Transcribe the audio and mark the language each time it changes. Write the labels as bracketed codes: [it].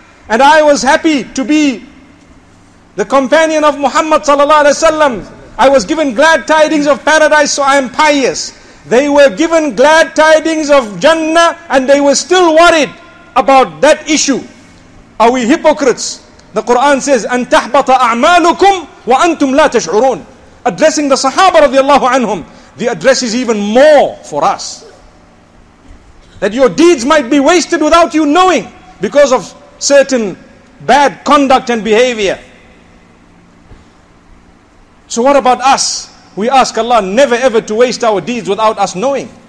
[en] And I was happy to be the companion of Muhammad sallallahu alaihi wasallam. I was given glad tidings of paradise, so I am pious. They were given glad tidings of Jannah and they were still worried about that issue. Are we hypocrites? The Quran says, [ar] أَن تَحْبَطَ أَعْمَالُكُمْ وَأَنْتُمْ لَا تَشْعُرُونَ. [en] Addressing the Sahaba radiallahu anhum, the address is even more for us. That your deeds might be wasted without you knowing because of certain bad conduct and behavior. So what about us? We ask Allah never ever to waste our deeds without us knowing.